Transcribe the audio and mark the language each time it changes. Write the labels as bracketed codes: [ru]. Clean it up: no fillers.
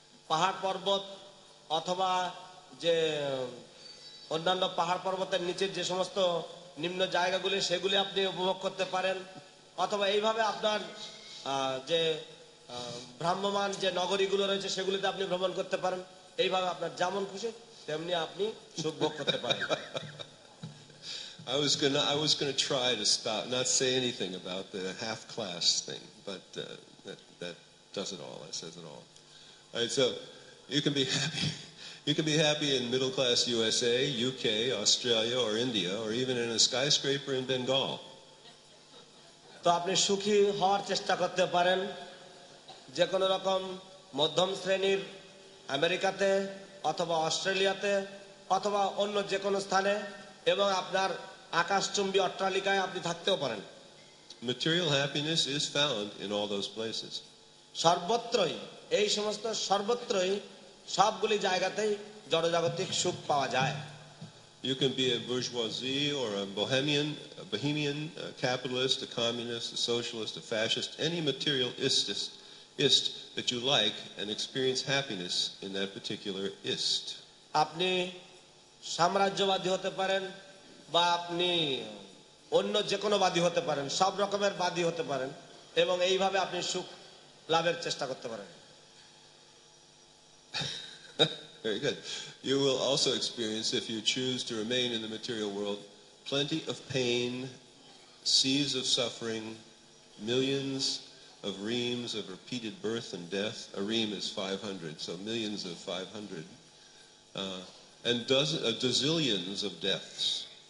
[bn] পাহাড় পর্বত অথবা যে অন্যান্য পাহাড় পর্বতের নিচের যে সমস্ত নিম্ন জায়গাগুলি সেগুলি আপনি উপভোগ করতে পারেন অথবা এইভাবে আপনার যে ভ্রাম্যমান যে নগরীগুলো রয়েছে সেগুলিতে আপনি ভ্রমণ করতে পারেন এইভাবে আপনার যেমন খুশি তেমনি আপনি সুখ ভোগ করতে পারেন। [en] I was gonna try to stop, not say anything about the half class thing, but that does it all. That says it all. All right, so you can be happy in middle class USA, UK, Australia, or India, or even in a skyscraper in Bengal. [bn] তো আপনি সুখী হওয়ার চেষ্টা করতে পারেন যে কোনো রকম মধ্যম শ্রেণীর আমেরিকাতে অথবা অস্ট্রেলিয়াতে অথবা অন্য যে কোনো স্থানে এবং আপনার আকাশচুম্বী অট্টালিকায় আপনি থাকতেও পারেন। [en] Material happiness is found in all those places. [bn] সর্বত্রই এই সমস্ত সর্বত্রই সবগুলি জায়গাতেই জড়জাগতিক সুখ পাওয়া যায়। [en] You can be a bourgeoisie or a bohemian, a capitalist, a communist, a socialist, a fascist, any material ist that you like and experience happiness in that particular ist. [bn] আপনি সাম্রাজ্যবাদী হতে পারেন বা আপনি অন্য যে কোনো বাদী হতে পারেন সব রকমের বাদী হতে পারেন এবং এইভাবে আপনি সুখ লাভের চেষ্টা করতে পারেন। [en] Very good. You will also experience, if you choose to remain in the material world, plenty of pain, seas of suffering, millions of reams of repeated birth and death. A ream is 500, so millions of 500. And dozillions of deaths.